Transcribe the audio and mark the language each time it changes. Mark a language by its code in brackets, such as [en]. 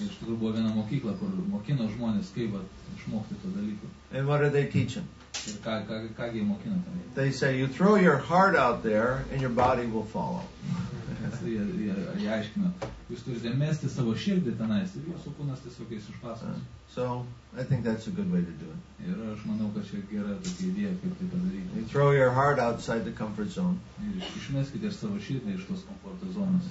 [lt] Iš tikrųjų buvo viena mokykla, kur mokino žmonės kaip išmokti to dalyko. [en] And what are they teaching? [lt] Ir ką jie mokino tam? [en] They say you throw your heart out there and your body will follow. [lt] Jie aiškino, jūs turite mesti savo širdį tenais ir jūsų kūnas tiesiog eis iš paskos. [en] So I think that's a good way to do it. [lt] Ir aš manau, kad čia gera tokia idėja, kaip tai padaryti. [en] You throw your heart outside the comfort zone. [lt] Ir išmeskite savo širdį iš tos komforto zonos.